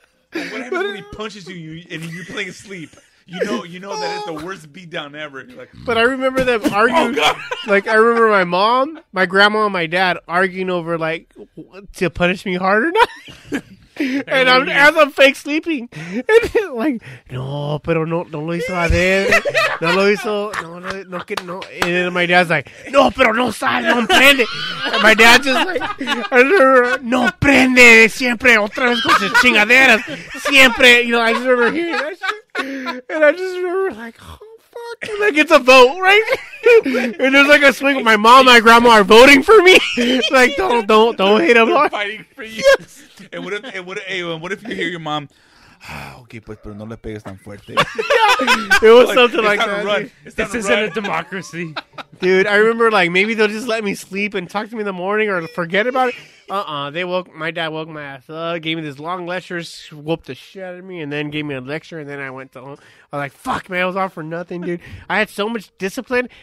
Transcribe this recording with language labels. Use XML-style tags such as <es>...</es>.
<en>what happens when he punches you and you're playing asleep? You know that it's the worst beatdown ever. Like, but I remember them arguing. Oh, like, I remember my mom, my grandma, and my dad arguing over, like, to punish me hard or not. And I'm as I'm fake sleeping. And like,</en> <es>no, pero no lo hizo adel. No lo hizo. No, que no.</es> <en>And then my dad's like,</en> <es>no, pero no sale, no prende.</es> <en>And my dad just like, I remember,</en> <es>no prende, siempre, otra vez con sus chingaderas. Siempre.</es> <en>You know, I just remember hearing that shit. And I just remember, like, oh, fuck. And like, it's a vote, right? And there's, like, a swing. My mom and my grandma are voting for me. Like, don't hit them. They're fighting for you. Yes. And what if you hear your mom, okay,</en> <es>pues, pero no le pegues tan fuerte.</es> <en>It was like, something like that. Run. This isn't a democracy. Dude, I remember, like, maybe they'll just let me sleep and talk to me in the morning or forget about it. My dad woke my ass up, gave me this long lecture, whooped the shit out of me, and then gave me a lecture, and then I went to home. I was like, fuck, man, I was off for nothing, dude. I had so much discipline.</en>